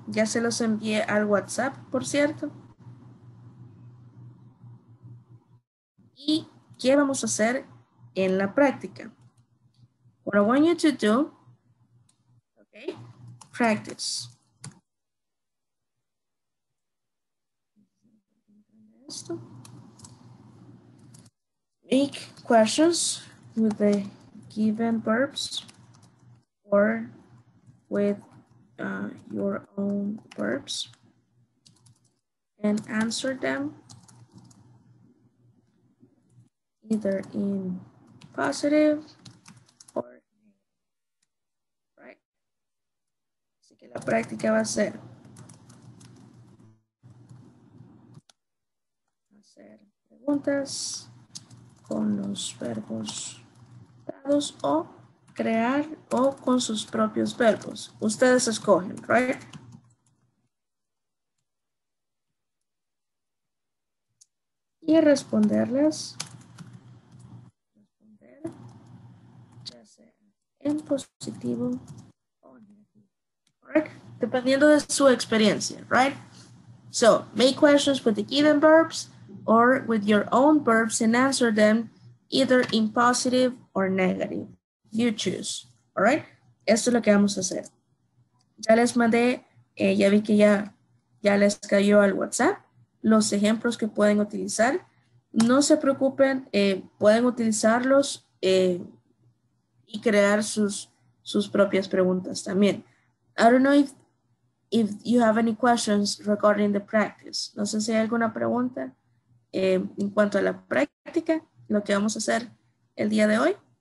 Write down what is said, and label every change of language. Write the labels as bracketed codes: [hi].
[es] Ya se los envié al WhatsApp, por cierto. ¿Y qué vamos a hacer en la práctica? [en] What I want you to do, okay, practice. [es] Esto. [en] Make questions with the given verbs or with your own verbs and answer them either in positive or right. [es] Así que la práctica va a ser hacer preguntas con los verbos dados o crear o con sus propios verbos. Ustedes escogen, right? y responderlas. Responder, ya sea en positivo o negativo. Right? Dependiendo de su experiencia, right? [en] So, make questions with the given verbs or with your own verbs and answer them either in positive or negative. You choose, all right? [es] Esto es lo que vamos a hacer. Ya les mandé, ya vi que ya les cayó al WhatsApp los ejemplos que pueden utilizar. No se preocupen, pueden utilizarlos y crear sus propias preguntas también. [en] I don't know if you have any questions regarding the practice. [es] No sé si hay alguna pregunta en cuanto a la práctica, lo que vamos a hacer el día de hoy.